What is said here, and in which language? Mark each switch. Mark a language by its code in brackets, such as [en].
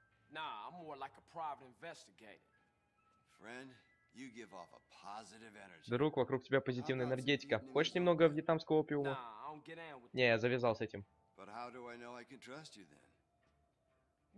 [en] Nah, I'm more like a private investigator. Friend, you give off a positive energy. [ru] Друг, вокруг тебя позитивная энергетика. Хочешь немного вьетнамского опиума? Не, я завязал с этим. [en] But how do I know I can trust you then?